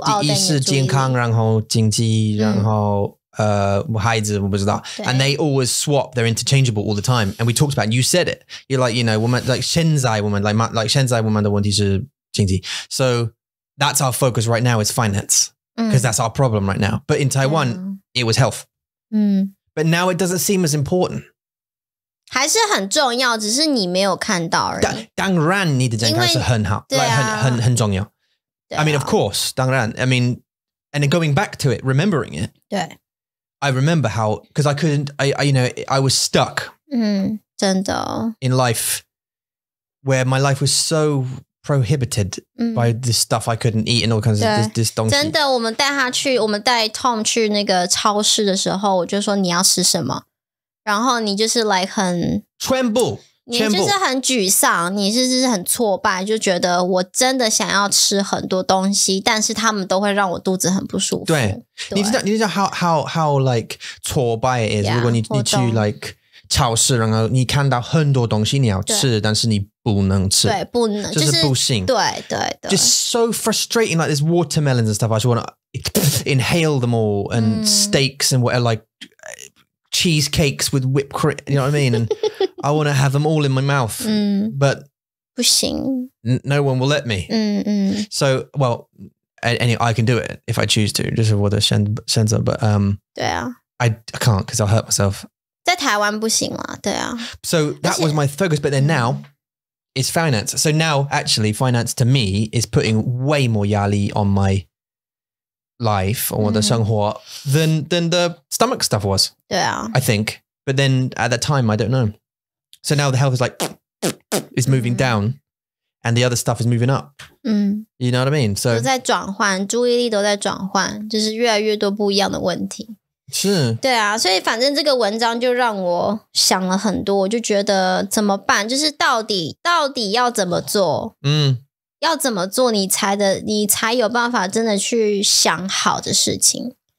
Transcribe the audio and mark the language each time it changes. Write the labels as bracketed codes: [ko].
[en] 意力第一是健康然后经济、然后孩子我不知道 and they always swap they're interchangeable all the time and we talked about it, you said it you're like you know 我们 like 现在我们 like 现在我们的问题是经济 so that's our focus right now is finance because that's our problem right now but in Taiwan、it was health But now it doesn't seem as important. [zh] 还是很重要，只是你没有看到而已。当然，你的健康是很好，对啊， [en] 很重要。 I mean, of course, 当然。 I mean, and going back to it, remembering it. [zh] 对。 [en] I remember how, because I couldn't, I, you know, I was stuck. [zh] 真的。 [en] In life, where my life was so... prohibited by the stuff I couldn't eat and all kinds of this donkey. [zh] 真的，我们带他去，我们带 Tom 去那个超市的时候，我就说你要吃什么，然后你就是 like 很 [en] tremble, [zh] 你就是很沮丧，你是就是很挫败，就觉得我真的想要吃很多东西，但是他们都会让我肚子很不舒服。对，你知道 how like 挫败 is [en] yeah, [zh] 如果你去 like 超市，然后你看到很多东西你要吃，但是你不能吃，对，不能，就是不行，对对对 [en] ，just so frustrating. Like there's watermelons and stuff. I just want to inhale them all, and steaks and whatever, like cheesecakes with whipped cream. You know what I mean? And I want to have them all in my mouth, but [zh] 不行 [en] no one will let me. So well, anyway, I can do it if I choose to. Just with the sensor, but [zh] 对啊 [en] I can't because I'll hurt myself. [zh] 在台湾不行啦，对啊 [en] So that was my focus, but then now. It's finance. So now, actually, finance to me is putting way more yali on my, life or the 生活 than the stomach stuff was. Yeah. I think. But then at that time, I don't know. So now the health is like, is moving down and the other stuff is moving up. You know what I mean? So [zh] 都在转换，注意力都在转换，就是越来越多不一样的问题。是。对啊，所以反正这个文章就让我想了很多，我就觉得怎么办？就是到底要怎么做？要怎么做你才有办法真的去想好的事情。